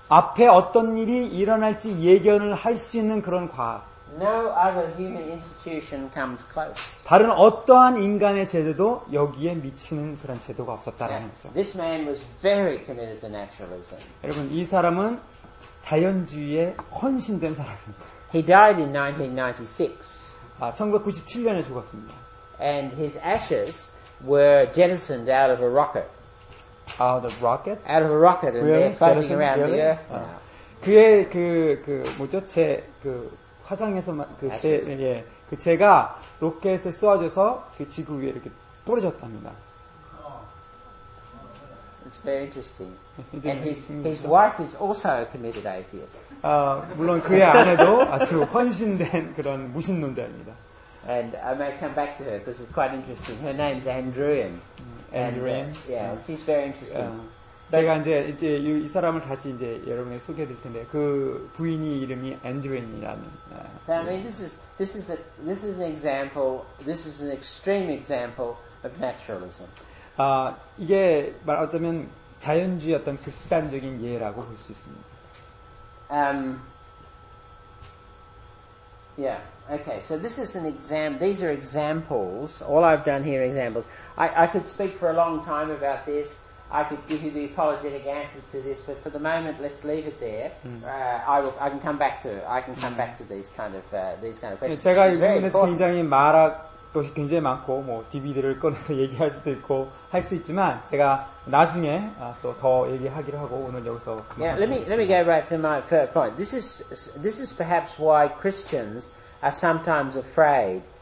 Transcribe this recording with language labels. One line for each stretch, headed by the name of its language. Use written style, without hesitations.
Korean: 앞에 어떤 일이 일어날지 예견을 할 수 있는 그런 과학.
English: No other human institution comes close.
Korean: 다른 어떠한 인간의 제도도 여기에 미치는 그런 제도가 없었다라는 거죠.
English: This man was very committed to naturalism.
Korean: 여러분, 이 사람은 자연주의에 헌신된 사람입니다.
English: He died in 1996.
Korean: 1997년에 죽었습니다.
English: And his ashes were jettisoned out of a rocket. Out of a rocket? Out of a rocket, and they're floating around the earth now.
Korean: 그의 그 뭐죠? 제 그 화장에서만 그 제 예 그 제가 로켓에 쏘아져서 그 지구 위에 이렇게 떨어졌답니다.
English: It's very interesting. And his wife is also a committed atheist.
Korean: 아, 물론 그의 아내도 아주 헌신된 그런 무신론자입니다.
English: And I may come back to her because it's quite interesting. Her name's Andrewian. Andrewian. Yeah, she's very interesting.
Korean: 제가 이제 이 사람을 다시 이제 여러분에게 소개해드릴 텐데 그 부인이 이름이 Andrewian이라는.
English: So I mean, this is an example. This is an extreme example of naturalism.
Korean: 아, 이게 말 어쩌면 자연주의 어떤 극단적인 예라고 볼 수 있습니다.
English: Yeah. Okay. So this is an exam. These are examples. All I've done here are examples. I could speak for a long time about this. I could give you the apologetic answers to this, but for the moment, let's leave it there. I can come back to these kind of questions.
Korean: 제가 이 부분에서 굉장히 말할 것이 굉장히 많고, 뭐 DVD를 꺼내서 얘기할 수도 있고 할 수 있지만, 제가 나중에 또 더 얘기하기로 하고 오늘 여기서.
English: Let me go right to my first point. This is perhaps why Christians are sometimes afraid.